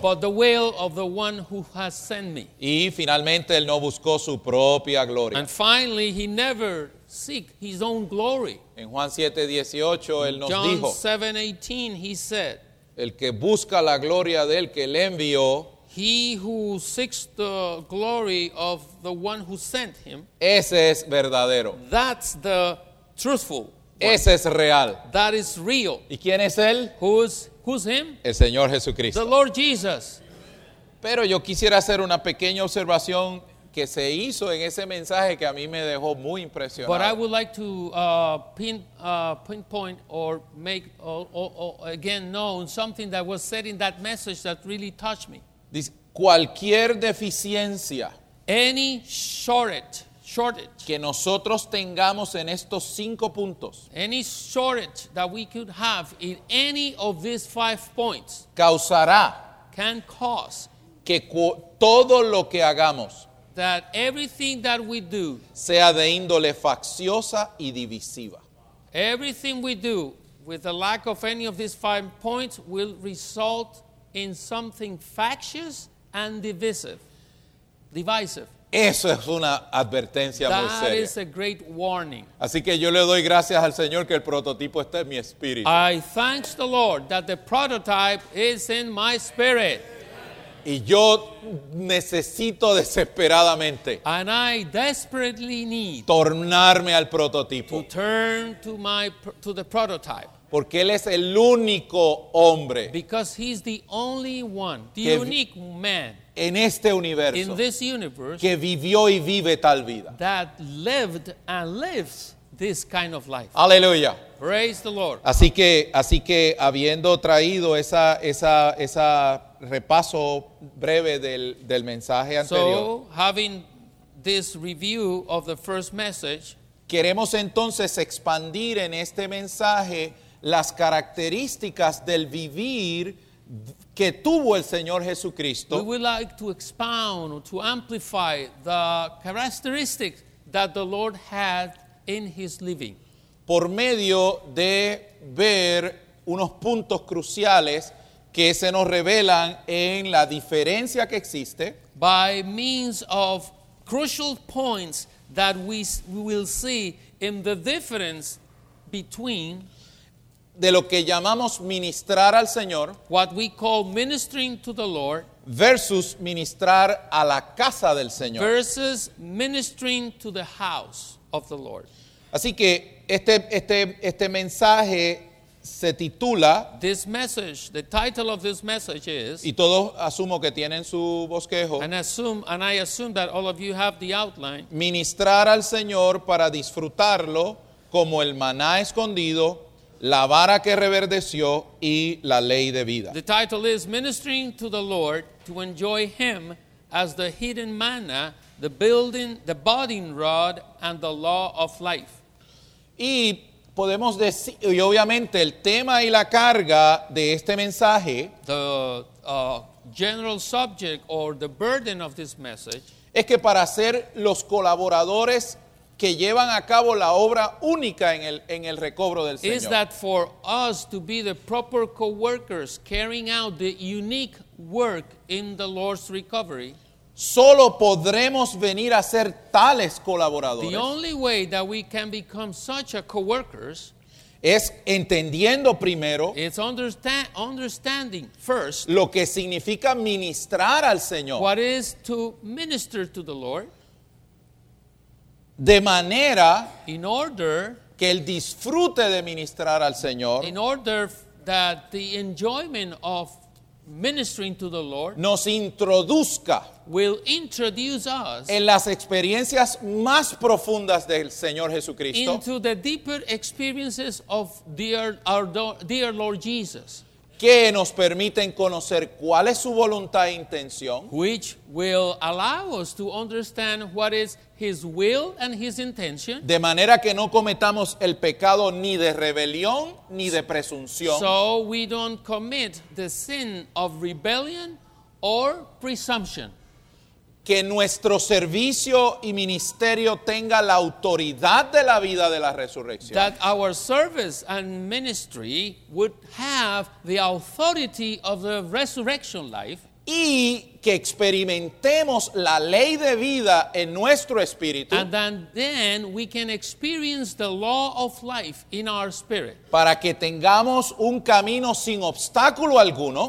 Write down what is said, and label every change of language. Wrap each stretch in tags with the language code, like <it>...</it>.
<en>But the will of the one who has sent me.</en> <es>Y finalmente él no buscó su propia gloria.</es> <en>And finally he never seek his own glory.</en> <es>En Juan 7:18 él nos</es> <en>John</en> <es>dijo.</es> <en>John 7:18 he said.</en> <es>El que busca la gloria del que le envió.</es> <en>He who seeks the glory of the one who sent him.</en> <es>Ese es verdadero.</es> <en>That's the truthful one.</en> <es>Ese es real.</es> <en>That is real.</en> <es>¿Y quién es él?</es> <en>Who's him?</en> <es>El Señor Jesucristo.</es> <en>The Lord Jesus.</en> <es>Pero yo quisiera hacer una pequeña observación que se hizo en ese mensaje que a mí me dejó muy impresionado.</es> <en>But I would like to pinpoint or make again known something that was said in that message that really touched me.</en> <es>Dice, cualquier deficiencia</es> <en>any shortage</en> <es>que nosotros tengamos en estos cinco puntos</es> <en>any shortage that we could have in any of these five points</en> <es>causará</es> <en>can cause</en> <es>que todo lo que hagamos</es> <en>that everything that we do</en> <es>sea de índole facciosa y divisiva</es> <en>everything we do with the lack of any of these five points will result in something factious and divisive.</en> <es>Eso es una advertencia</es> <en>that</en> <es>muy seria.</es> <en>That is a great warning.</en> <es>Así que yo le doy gracias al Señor que el prototipo está en mi espíritu.</es> <en>I thanks the Lord that the prototype is in my spirit.</en> <es>Y yo necesito desesperadamente</es> <en>and I desperately need</en> <es>tornarme al prototipo.</es> <en>To turn to the prototype.</en> <es>Porque él es el único hombre.</es> <en>Because he's the only one, the unique man.</en> <es>En este universo.</es> <en>In this universe.</en> <es>Que vivió y vive tal vida.</es> <en>That lived and lives this kind of life.</en> <es>Aleluya.</es> <en>Praise the Lord.</en> <es>Así que habiendo traído esa repaso breve del mensaje anterior.</es> <en>So having this review of the first message.</en> <es>Queremos entonces expandir en este mensaje las características del vivir que tuvo el Señor Jesucristo.</es> <en>We would like to expound or to amplify the characteristics that the Lord had in his living.</en> <es>Por medio de ver unos puntos cruciales que se nos revelan en la diferencia que existe.</es> <en>By means of crucial points that we will see in the difference between</en> <es>de lo que llamamos ministrar al Señor</es> <en>what we call ministering to the Lord</en> <es>versus ministrar a la casa del Señor</es> <en>versus ministering to the house of the Lord.</en> <es>Así que este mensaje se titula,</es> <en>this message, the title of this message is,</en> <es>y todos asumo que tienen su bosquejo,</es> <en>and I assume that all of you have the outline,</en> <es>ministrar al Señor para disfrutarlo como el maná escondido, la vara que reverdeció y la ley de vida.</es> <en>The title is ministering to the Lord to enjoy him as the hidden manna, the building, the budding rod and the law of life.</en> <es>Y podemos decir, y obviamente el tema y la carga de este mensaje,</es> <en>the general subject or the burden of this message,</en> <es>es que para ser los colaboradores que llevan a cabo la obra única en el recobro del Señor,</es> <en>is that for us to be the proper co-workers carrying out the unique work in the Lord's recovery.</en> <es>Solo podremos venir a ser tales colaboradores.</es> <en>The only way that we can become such a co-workers</en> <es>es entendiendo primero,</es> <en>it's understanding first,</en> <es>lo que significa ministrar al Señor,</es> <en>what is to minister to the Lord,</en> <es>de manera,</es> <en>in order,</en> <es>que él disfrute de ministrar al Señor,</es> <en>in order that the enjoyment of ministering to the Lord</en> <es>nos introduzca,</es> <en>will introduce us,</en> <es>en las experiencias más profundas del Señor Jesucristo,</es> <en>into the deeper experiences of our dear Lord Jesus,</en> <es>que nos permiten conocer cuál es su voluntad e intención,</es> <en>which will allow us to understand what is his will and his intention,</en> <es>de manera que no cometamos el pecado ni de rebelión ni de presunción,</es> <en>so we don't commit the sin of rebellion or presumption,</en> <es>que nuestro servicio y ministerio tenga la autoridad de la vida de la resurrección,</es> <en>that our service and ministry would have the authority of the resurrection life,</en> <es>y que experimentemos la ley de vida en nuestro espíritu,</es> <en>and then we can experience the law of life in our spirit,</en> <es>para que tengamos un camino sin obstáculo alguno,</es>